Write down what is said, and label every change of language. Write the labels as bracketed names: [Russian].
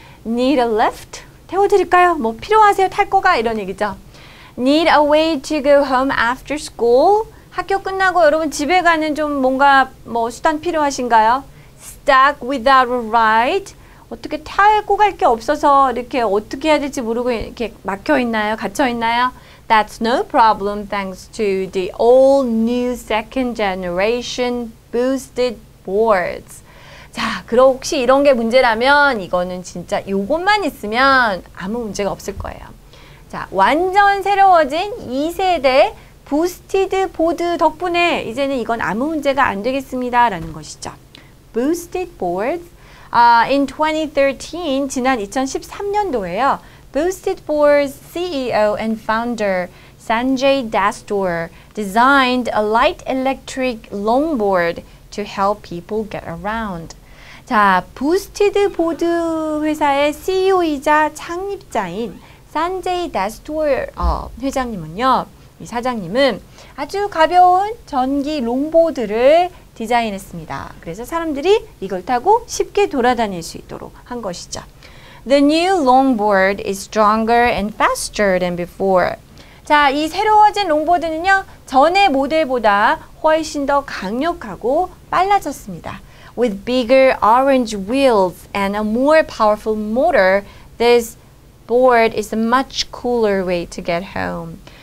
[English] Need a lift? [Korean] 태워드릴까요? 뭐 필요하세요? 탈 거가? 이런 얘기죠. [English] Need a way to go home after school? [Korean] 학교 끝나고 여러분 집에 가는 좀 뭔가 뭐 수단 필요하신가요? [English] Stuck without a ride? [Korean] 어떻게 타고 갈 게 없어서 이렇게 어떻게 해야 될지 모르고 이렇게 막혀 있나요? 갇혀 있나요? [English] That's no problem thanks to the all new second generation boosted boards. [Korean] 자, 그럼 혹시 이런 게 문제라면 이거는 진짜 이것만 있으면 아무 문제가 없을 거예요. 자, 완전 새로워진 2세대 부스티드 보드 덕분에 이제는 이건 아무 문제가 안 되겠습니다. 라는 것이죠. Boosted boards. [English] In 2013, [Korean] 지난 2013년도에요. [English] Boosted Boards CEO and founder Sanjay Dastoor designed a light electric longboard to help people get around. [Korean] 자, Boosted Board 회사의 CEO이자 창립자인 Sanjay Dastoor 회장님은요, 이 사장님은 아주 가벼운 전기 롱보드를 디자인했습니다. 그래서 사람들이 이걸 타고 쉽게 돌아다닐 수 있도록 한 것이죠. [English] The new longboard is stronger and faster than before. [Korean] 자, 이 새로워진 롱보드는요, 전의 모델보다 훨씬 더 강력하고 빨라졌습니다. [English] With bigger orange wheels and a more powerful motor, this board is a much cooler way to get home.